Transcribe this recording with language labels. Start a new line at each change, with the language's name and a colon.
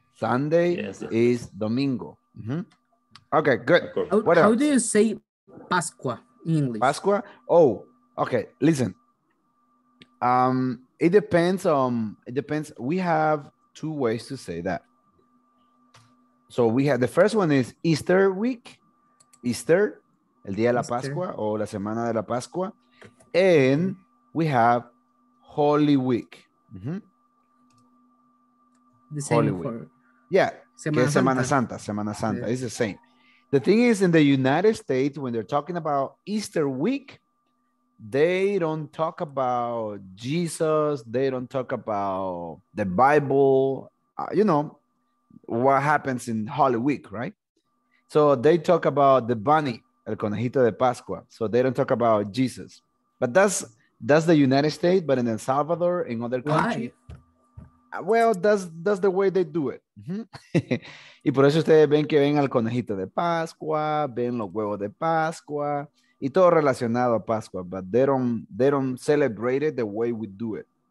English: Sunday is domingo. Mm-hmm. Okay, good. How do you say Pascua in English? Pascua? Oh, okay, listen. It depends. We have two ways to say that. So we have, the first one is Easter week.
Spanish: Easter, el día de la Pascua o la semana de la Pascua.
English: And we have Holy Week. Mm-hmm. The same Holy week. For yeah. Semana Santa. It's the same. The thing is, in the United States, when they're talking about Easter week, they don't talk about Jesus. They don't talk about the Bible. You know, what happens in Holy Week, right? So they talk about the bunny,
Spanish: el conejito de Pascua.
English: So they don't talk about Jesus. But that's the United States, but in El Salvador, in other countries. Well, that's the way they do it. Mm-hmm.
Spanish: Y por eso ustedes ven que ven al conejito de Pascua, ven los huevos de Pascua, y todo relacionado a Pascua.
English: But they don't celebrate it the way we do it.